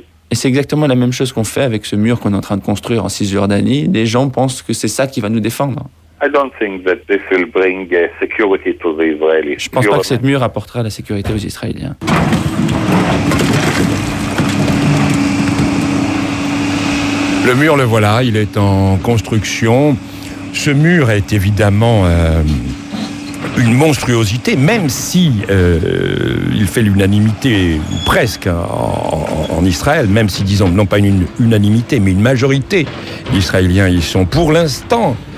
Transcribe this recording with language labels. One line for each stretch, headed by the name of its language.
French: Et c'est exactement la même chose qu'on fait avec ce mur qu'on est en train de construire en Cisjordanie. Les gens pensent que c'est ça qui va nous défendre.
English: I don't think that this will bring security to the Israelis.
French: Je pense pas que cette mur apportera la sécurité aux Israéliens. Le mur, le voilà, il est en construction. Ce mur est évidemment une monstruosité, même si il fait l'unanimité, ou presque, en Israël, même si, disons, non pas une unanimité, mais une majorité d'Israéliens y sont pour l'instant